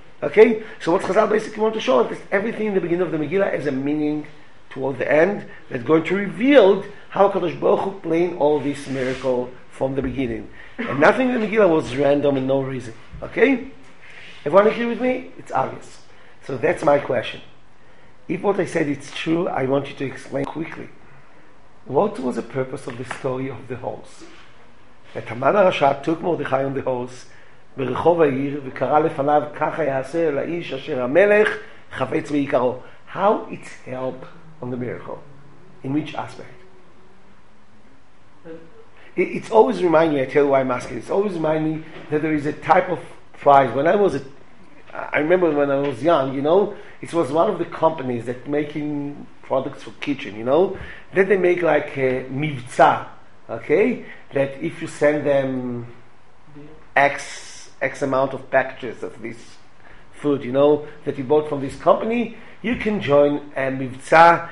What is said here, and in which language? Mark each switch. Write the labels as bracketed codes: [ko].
[en] Okay, so what Chazal basically want to show is that everything in the beginning of the Megillah has a meaning toward the end that's going to reveal how HaKadosh Baruch Hu planned all this miracle from the beginning. And nothing in the Megillah was random and no reason. Okay? Everyone agree with me? It's obvious. So that's my question. If what I said is true, I want you to explain quickly. What was the purpose of the story of the horse? [he] That Haman HaRasha took Mordechai on the horse ברחוב העיר וקרא לפניו ככה יעשה אל האיש אשר המלך חפץ בעיקרו. [en] How it help on the miracle? In which aspect? It's always remind me, I tell you why I'm asking, it's always remind me that there is a type of prize. When I was I remember when I was young, you know, it was one of the companies that making products for kitchen, you know, that they make like a mivtza, okay, that if you send them X amount of packages of this food, you know, that you bought from this company, you can join a mivtza.